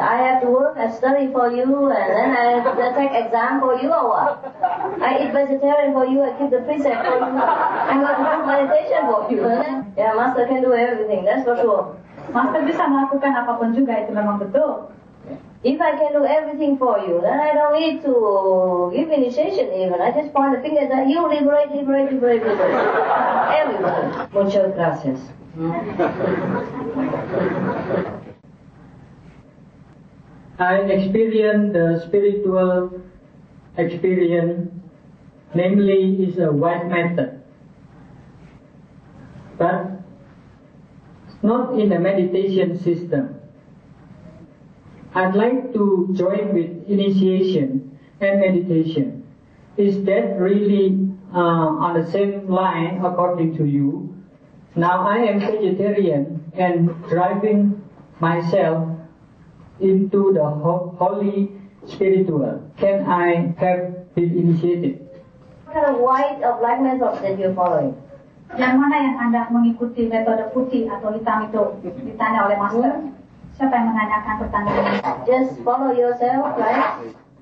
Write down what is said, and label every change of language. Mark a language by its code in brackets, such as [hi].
[en] I have to work and study for you and then I have to take exam for you or what? I eat vegetarian for you, I keep the precept for you. I'm going to do meditation for you. Yeah, Master can do everything, that's for sure. [id] Master bisa melakukan apapun juga, itu memang betul. [en] If I can do everything for you, then I don't need to give initiation even. I just point the fingers at you, liberate, liberate, liberate, liberate. [es] Everyone. Mucho gracias. [en] I experience the spiritual experience, namely is a white matter. But not in the meditation system. I'd like to join with initiation and meditation. Is that really on the same line according to you? Now I am vegetarian and driving myself into the holy spiritual. Can I have been initiated? What kind of white or black method that you're following? [id] Dan mana yang Anda mengikuti metode putih atau hitam itu ditanya oleh Master? Siapa yang menanyakan pertanyaan? [en] Just follow yourself, right?